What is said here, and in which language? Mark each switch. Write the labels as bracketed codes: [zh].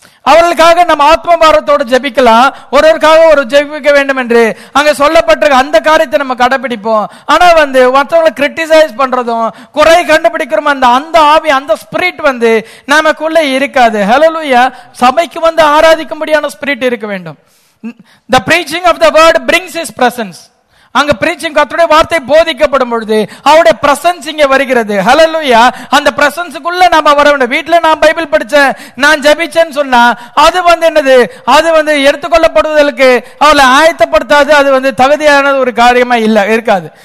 [ta] அவர்களுக்காக நம்ம ஆத்ம பாரத்தோடு ஜபிக்கலாம், ஒருவருக்காக ஒரு ஜபிக்க வேண்டும் என்று அங்க சொல்லப்பட்டிருக்க அந்த காரியத்தை நம்ம கடைபிடிப்போம். ஆனா வந்து மற்றவங்களை கிரிட்டிசைஸ் பண்றதும் குறை கண்டுபிடிக்கிறோம் அந்த ஆவி அந்த ஸ்பிரிட் வந்து நமக்குள்ள இருக்காது. ஹல்லேலூயா, சபைக்கு வந்து ஆராதிக்கும்படியான ஸ்பிரிட் இருக்க வேண்டும். [en] The preaching of the word brings his presence. [ta] அங்க பிரீச்சிங் கர்த்தருடைய வார்த்தை போதிக்கப்படும் பொழுது அவருடைய பிரசன்ஸ் இங்க வருகிறது. ஹல்லேலூயா, அந்த பிரசன்ஸுக்குள்ள நாம வர வேண்டும். வீட்டுல நான் பைபிள் படிச்சேன், நான் ஜபிச்சேன்னு சொன்னா அது வந்து என்னது, அது வந்து எடுத்துக்கொள்ளப்படுவதற்கு அவளை ஆயத்தப்படுத்தாது, அது வந்து தகுதியானது ஒரு காரியமா இல்ல இருக்காது.